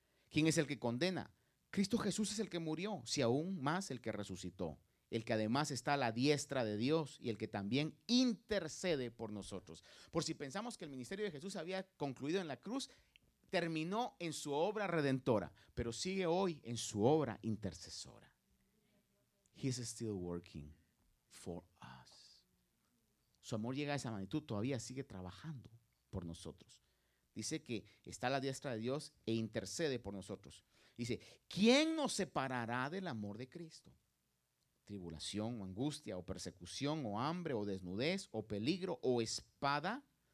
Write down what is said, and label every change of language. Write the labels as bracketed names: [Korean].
[Spanish] ¿Quién es el que condena? Cristo Jesús es el que murió, si aún más el que resucitó, el que además está a la diestra de Dios y el que también intercede por nosotros. Por si pensamos que el ministerio de Jesús había concluido en la cruz, terminó en su obra redentora, pero sigue hoy en su obra intercesora. [English] He's still working for us. [Spanish] Su amor llega a esa magnitud, todavía sigue trabajando por nosotros. Dice que está a la diestra de Dios e intercede por nosotros. Dice, ¿quién nos separará del amor de Cristo? ¿Tribulación o angustia o persecución o hambre o desnudez o peligro o espada?